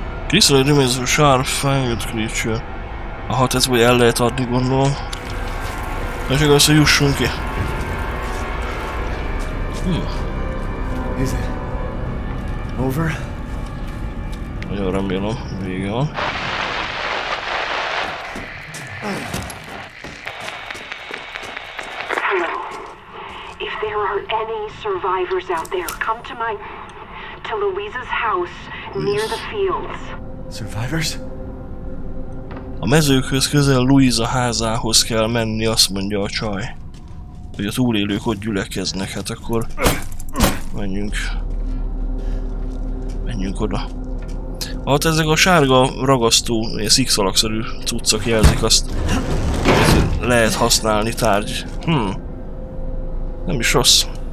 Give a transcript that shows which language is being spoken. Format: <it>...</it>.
<en>Crystal remains a sharp fanged creature.</en> <hu>Aha, tehát vagy el lehet adni, gondolom. Na csak azt, hogy jussunk ki.</hu> <en>Is it over?</en> <hu>Nagyon remélem, vége van.</hu> <en>If there are any survivors out there, come to my... to Louisa's house, near the fields. Survivors?</en> <hu>A mezőkhöz közel Louisa házához kell menni, azt mondja a csaj. Hogy a túlélők ott gyülekeznek, hát akkor menjünk. Menjünk oda. Hát ezek a sárga ragasztó, ilyen szikszalagszerű cuccok jelzik azt, hogy lehet használni tárgy. Nem is rossz.</hu>